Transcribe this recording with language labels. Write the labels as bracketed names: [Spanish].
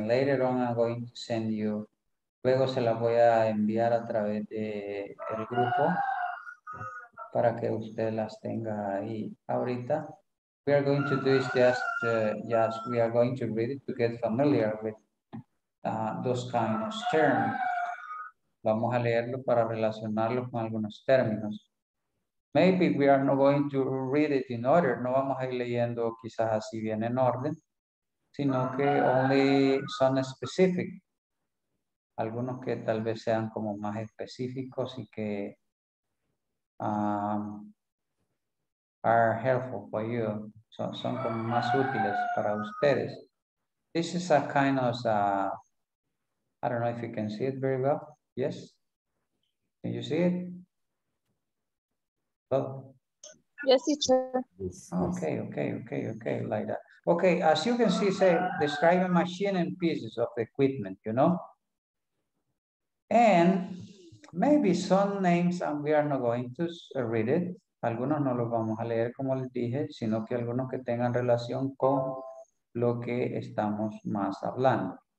[English] And later on, I'm going to send you, [Spanish] luego se las voy a enviar a través del grupo para que usted las tenga ahí ahorita. [English] We are going to do is just, yes, we are going to read it to get familiar with those kinds of terms. [Spanish] Vamos a leerlo para relacionarlo con algunos términos. [English] Maybe we are not going to read it in order. [Spanish] No vamos a ir leyendo quizás así bien en orden, sino que [English] only some specific. [Spanish] Algunos que tal vez sean como más específicos y que [English] are helpful for you. [Spanish] Son como más útiles para ustedes. [English] This is a kind of, I don't know if you can see it very well. Yes? Can you see it? Hello? Yes, teacher. Okay, like that. Okay, as you can see, say, describe a machine and pieces of equipment, you know? And maybe some names, and we are not going to read it. [Spanish] Algunos no los vamos a leer, como les dije, sino que algunos que tengan relación con lo que estamos más hablando.